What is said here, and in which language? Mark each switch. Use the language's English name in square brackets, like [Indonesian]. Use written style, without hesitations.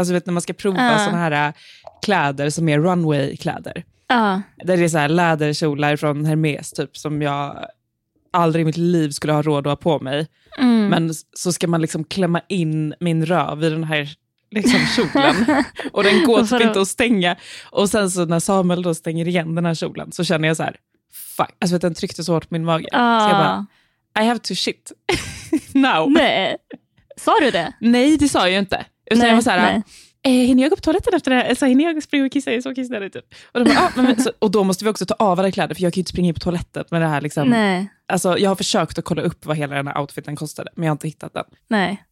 [Swedish] Alltså vet, när man ska prova såna här kläder som är runway-kläder. Där det är så här läderkjolar från Hermes typ som jag aldrig i mitt liv skulle ha råd att ha på mig. Mm. Men så ska man liksom klämma in min röv i den här liksom kjolen. Och den går typ inte att stänga. Och sen så när Samuel då stänger igen den här kjolen så känner jag så här, fuck. Alltså vet du, den tryckte så hårt på min mage. Så jag bara, [English] I have to shit. Now. [Swedish] Nej. Sa du det? Nej, det sa jag ju inte. Utan nej, jag var så här, hinner jag gå på toaletten efter det här? Så här, hinner jag springa och kissa? Så kissar jag typ. Och, de bara, ah, men, så, och då måste vi också ta av alla kläder, för jag kan ju inte springa in på toaletten med det här liksom. Nej. Alltså, jag har försökt att kolla upp vad hela den här outfiten kostade, men jag har inte hittat den. Nej.